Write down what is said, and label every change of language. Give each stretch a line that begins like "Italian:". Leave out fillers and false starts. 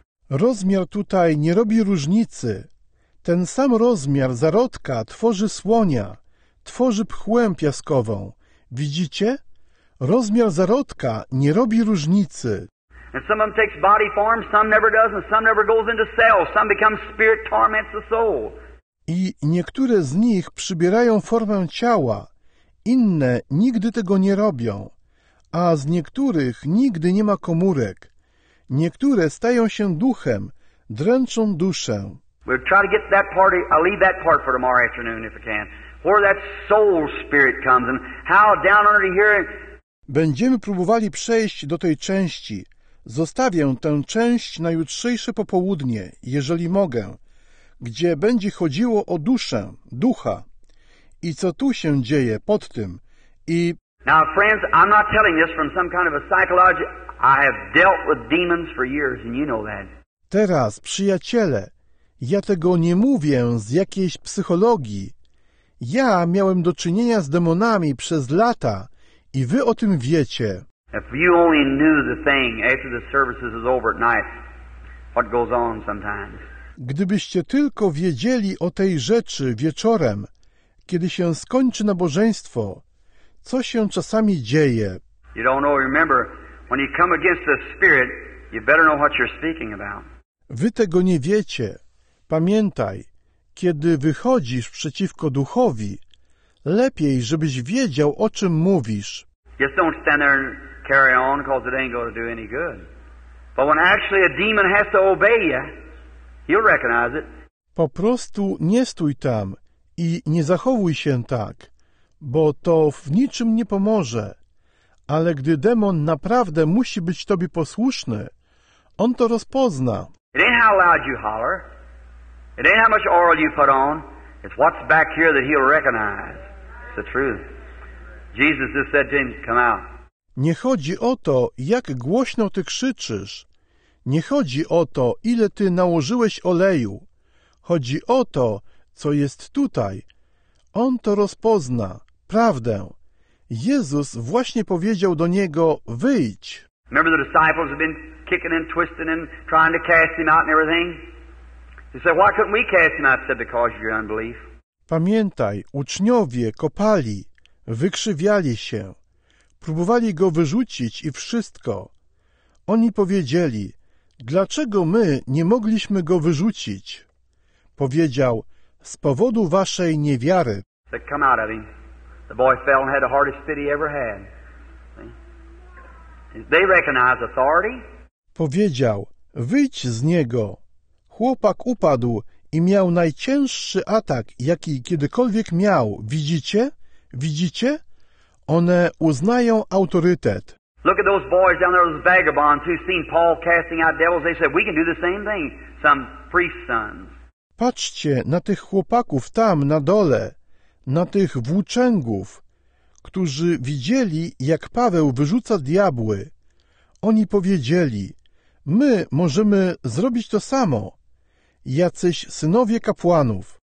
Polish: Rozmiar tutaj nie robi różnicy. Ten sam rozmiar zarodka tworzy słonia, tworzy pchłę piaskową. Widzicie? Rozmiar zarodka nie robi różnicy.
English: And some of them takes body form, some never does, and some never goes into cells. Some become spirit torments the soul.
Polish: I niektóre z nich przybierają formę ciała, inne nigdy tego nie robią, a z niektórych nigdy nie ma komórek. Niektóre stają się duchem, dręczą duszę.
English: We'll try to get that part, I'll leave that part for tomorrow afternoon if I can. Where that soul spirit comes and how down under here.
Polish: Będziemy próbowali przejść do tej części. Zostawię tę część na jutrzejsze popołudnie, jeżeli mogę, gdzie będzie chodziło o duszę, ducha. I co tu się dzieje pod tym? I
English: now friends, I'm not telling this from some kind of a psychology. I have dealt with demons for years and you know that.
Polish: Teraz, przyjaciele, ja tego nie mówię z jakiejś psychologii. Ja miałem do czynienia z demonami przez lata i wy o tym wiecie.
English: If you only knew the thing after the services is over at night, what goes on sometimes.
Polish: Gdybyście tylko wiedzieli o tej rzeczy wieczorem, kiedy się skończy nabożeństwo, co się czasami dzieje.
English: You don't know, remember, when you come against the spirit, you better know what you're speaking about.
Polish: Wy tego nie wiecie. Pamiętaj, kiedy wychodzisz przeciwko duchowi, lepiej, żebyś wiedział, o czym mówisz.
English: Just don't stand there and carry on, because it ain't going to do any good. But when actually a demon has to obey you, he'll recognize it.
Polish: Po prostu nie stój tam i nie zachowuj się tak, bo to w niczym nie pomoże. Ale gdy demon naprawdę musi być tobie posłuszny, on to rozpozna.
English: It ain't how loud you holler. It ain't how much oil you put on. It's what's back here that he'll recognize. It's the truth. Jesus just said to him, come out.
Polish: Nie chodzi o to, jak głośno ty krzyczysz. Nie chodzi o to, ile ty nałożyłeś oleju. Chodzi o to, co jest tutaj. On to rozpozna. Prawdę. Jezus właśnie powiedział do niego, wyjdź.
English: Remember the disciples have been kicking and twisting and trying to cast him out and everything? He said, why couldn't we cast him out? He said, because of your unbelief.
Polish: Pamiętaj, uczniowie kopali, wykrzywiali się. Próbowali go wyrzucić i wszystko. Oni powiedzieli, dlaczego my nie mogliśmy go wyrzucić? Powiedział, z powodu waszej niewiary.
English: Said, come out of him. The boy fell and had the hardest fit he ever had. They recognize authority.
Polish: Powiedział, wyjdź z niego. Chłopak upadł i miał najcięższy atak, jaki kiedykolwiek miał. Widzicie? Widzicie? One uznają autorytet.
English: Look at those boys down there, those vagabonds who've seen Paul casting out devils. They said, we can do the same thing. Some priest's sons.
Polish: Patrzcie na tych chłopaków tam na dole. Na tych włóczęgów, którzy widzieli, jak Paweł wyrzuca diabły. Oni powiedzieli, my możemy zrobić to samo. Jacyś synowie kapłanów.